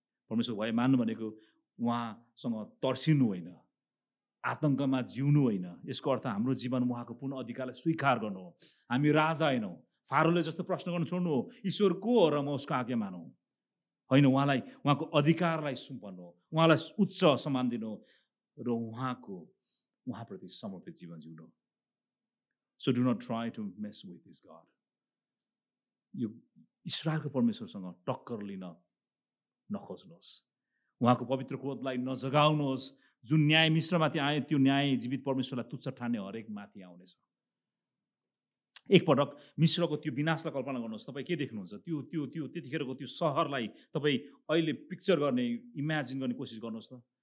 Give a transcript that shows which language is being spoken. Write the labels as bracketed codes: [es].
[ne] परमेश्वर भए मान्नु भनेको उहाँसँग तर्सिनु होइन, आतङ्कमा जिउनु होइन, यसको अर्थ हाम्रो जीवन उहाँको पूर्ण अधिकारलाई स्वीकार गर्नु हो। हामी राजा होइनौँ, फारोले जस्तो प्रश्न गर्नु छोड्नु हो, ईश्वर को हो र म उसको आज्ञा मानौँ होइन, उहाँलाई उहाँको अधिकारलाई सुम्पन्न हो, उहाँलाई उच्च सम्मान दिनु र उहाँको उहाँप्रति समर्पित जीवन जिउनु। [en] So do not try to mess with his god. [ne] यो इस्रायलको परमेश्वरसँग टक्कर लिन नखोज्नुहोस्, उहाँको पवित्र क्रोधलाई नजगाउनुहोस्। जुन न्याय मिश्रमाथि आए त्यो न्याय जीवित परमेश्वरलाई तुच्छ ठान्ने हरेक माथि आउनेछ। एक पटक मिश्रको त्यो विनाशलाई कल्पना गर्नुहोस्, तपाईँ के देख्नुहुन्छ? त्यो त्यो त्यो त्यतिखेरको त्यो सहरलाई तपाईँ अहिले पिक्चर गर्ने, इमेजिन गर्ने कोसिस गर्नुहोस् त।